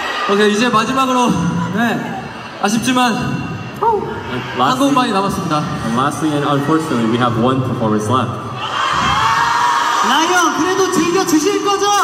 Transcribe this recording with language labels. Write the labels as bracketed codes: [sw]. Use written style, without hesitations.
[ko] Okay, 이제 마지막으로 네 아쉽지만 한국만이 남았습니다. [en] And lastly and unfortunately, we have one performance left. [ko] 라이언 그래도 즐겨 주실 거죠?